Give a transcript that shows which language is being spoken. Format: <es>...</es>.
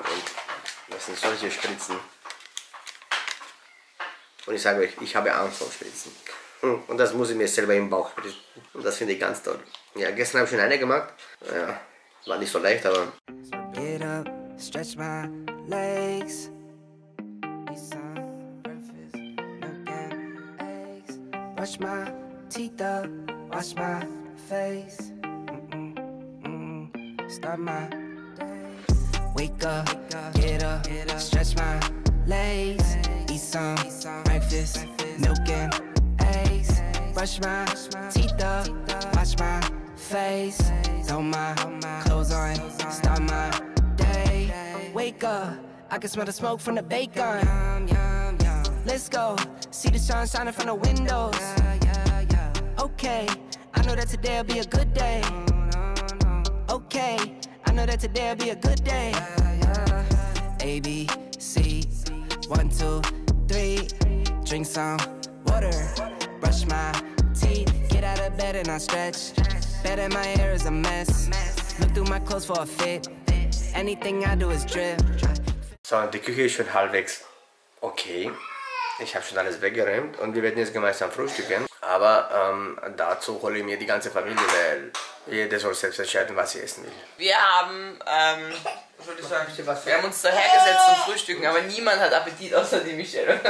<de>Und das sind solche Spritzen. Und ich sage euch, ich habe Angst vor Spritzen. Und das muss ich mir selber im Bauch spritzen. Und das finde ich ganz toll. Ja, gestern habe ich schon eine gemacht. Ja, war nicht so leicht, aber.</de> <en>Get up, stretch my legs. Eat some breakfast, look at eggs. Brush my teeth up, wash my face. Start my. Wake up, get up, stretch my legs. Eat some breakfast, milk and eggs. Brush my teeth up, wash my face. Throw my clothes on, start my day. Wake up, I can smell the smoke from the bacon. Let's go, see the sun shining from the windows. Okay, I know that today'll be a good day. Okay, I know that today'll be a good day. A, B, C, 1, 2, 3. Drink some water, brush my teeth. Get out of bed and I stretch. Bed and my hair is a mess. Look through my clothes for a fit. Anything I do is drip.</en> <de>So, die Küche ist schon halbwegs okay. Ich habe schon alles weggeräumt und wir werden jetzt gemeinsam frühstücken. Aber dazu hole ich mir die ganze Familie, weil jeder soll selbst entscheiden, was sie essen will. Wir haben wir haben uns dahergesetzt zum Frühstücken, aber niemand hat Appetit außer die Michelle.</de>